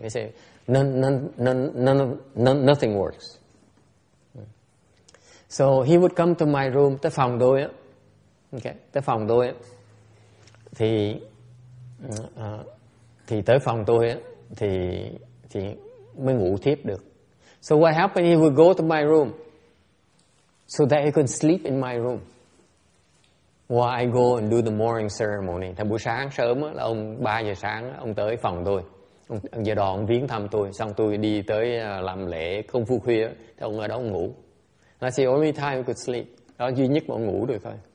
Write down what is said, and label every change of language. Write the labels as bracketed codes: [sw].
[vi] Ấy sẽ [en] nothing works. So he would come to my room, [vi] tới phòng tôi á. Okay, tới phòng tôi á. Thì tới phòng tôi á thì mới ngủ thiếp được. [en] So what happened? He would go to my room so that he could sleep in my room. Well, I go and do the morning ceremony. [vi] Thì buổi sáng sớm là ông 3 giờ sáng ông tới phòng tôi. Ông giờ đó ông viếng thăm tôi, xong tôi đi tới làm lễ công phu khuya thì ông ở đó ông ngủ. [en] That's the only time he could sleep. [vi] Đó duy nhất mà ông ngủ được thôi.